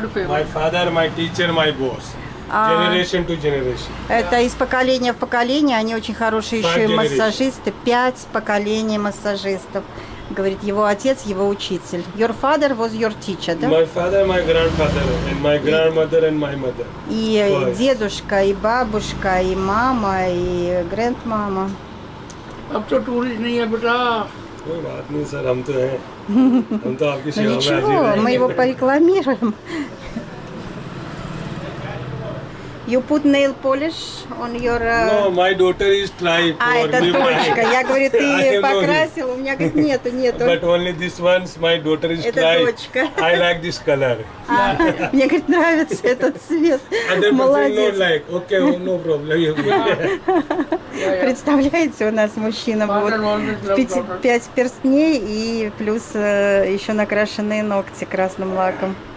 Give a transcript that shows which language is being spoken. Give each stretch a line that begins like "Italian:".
English: My father, my teacher, my boss. Generation to generation.
Russian: Это из поколения в поколение. Они очень хорошие еще и массажисты. Пять поколений массажистов. Говорит, его отец, его учитель.
English: Your father was your teacher, да? My father, my grandfather, and my grandmother, and my mother.
Russian: И дедушка, и бабушка, и мама, и грандмама.
Hindi: Ab to tourist nahi hai, beta. Кой бат не,
Russian: сэр, мы-то есть. Мы-то в вашей сфере. Ничего, мы его порекламируем.
English: You put nail polish on your... No, my daughter is trying for me.
Russian: А, это дочка. Я говорю, ты покрасил? У меня, говорит, нету.
English: But only this one, my daughter is trying.
Russian: Это дочка.
English: I like this color.
Russian: Мне, говорит, нравится этот цвет. Молодец.
English: Not like. Okay, no problem.
Russian: Представляете, у нас мужчина вот 5 перстней и плюс еще накрашенные ногти красным лаком.